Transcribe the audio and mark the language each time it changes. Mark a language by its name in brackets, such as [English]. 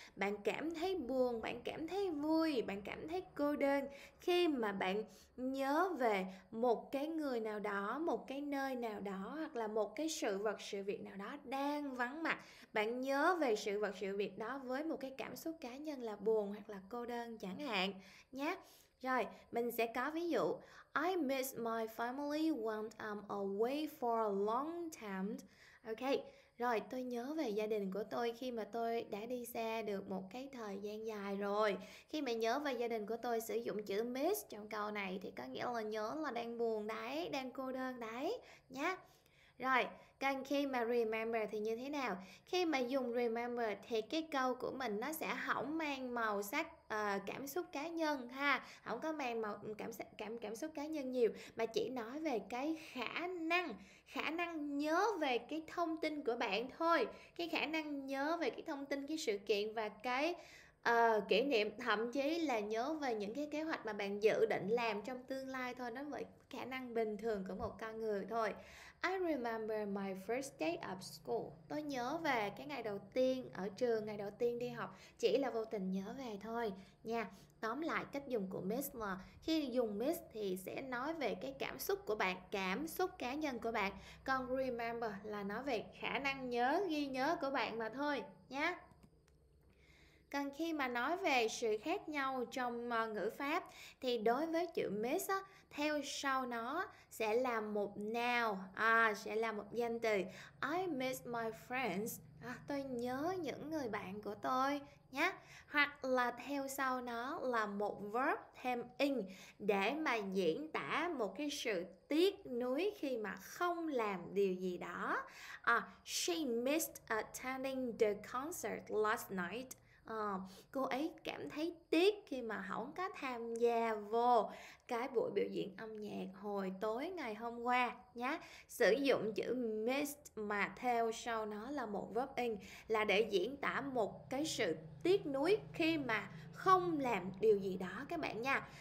[Vietnamese] Bạn cảm thấy buồn, bạn cảm thấy vui, bạn cảm thấy cô đơn khi mà bạn nhớ về một cái người nào đó, một cái nơi nào đó, hoặc là một cái sự vật sự việc nào đó đang vắng mặt. Bạn nhớ về sự vật sự việc đó với một cái cảm xúc cá nhân là buồn hoặc là cô đơn chẳng hạn nhá. Rồi, mình sẽ có ví dụ. [English] I miss my family when I'm away for a long time. [Vietnamese] Ok, rồi tôi nhớ về gia đình của tôi khi mà tôi đã đi xa được một cái thời gian dài rồi. Khi mà nhớ về gia đình của tôi sử dụng chữ miss trong câu này thì có nghĩa là nhớ là đang buồn đấy, đang cô đơn đấy nhá. Rồi, còn khi mà remember thì như thế nào? Khi mà dùng remember thì cái câu của mình nó sẽ không mang màu sắc cảm xúc cá nhân ha, không có mang màu cảm xúc cá nhân nhiều, mà chỉ nói về cái khả năng nhớ về cái thông tin của bạn thôi, cái khả năng nhớ về cái thông tin, cái sự kiện và cái kỷ niệm, thậm chí là nhớ về những cái kế hoạch mà bạn dự định làm trong tương lai thôi. Nó với khả năng bình thường của một con người thôi. [English] I remember my first day of school. [Vietnamese] Tôi nhớ về cái ngày đầu tiên ở trường, ngày đầu tiên đi học. Chỉ là vô tình nhớ về thôi nha. Tóm lại cách dùng của miss là khi dùng miss thì sẽ nói về cái cảm xúc của bạn, cảm xúc cá nhân của bạn. Còn remember là nói về khả năng nhớ, ghi nhớ của bạn mà thôi nha. Còn khi mà nói về sự khác nhau trong ngữ pháp thì đối với chữ miss á, theo sau nó sẽ là một noun, sẽ là một danh từ. [English] I miss my friends. [Vietnamese] Tôi nhớ những người bạn của tôi nhá. Hoặc là theo sau nó là một verb thêm ing để mà diễn tả một cái sự tiếc nuối khi mà không làm điều gì đó. [English] She missed attending the concert last night. [Vietnamese] Cô ấy cảm thấy tiếc khi mà không có tham gia vô cái buổi biểu diễn âm nhạc hồi tối ngày hôm qua nhá. Sử dụng chữ missed mà theo sau nó là một verb ing là để diễn tả một cái sự tiếc nuối khi mà không làm điều gì đó các bạn nha.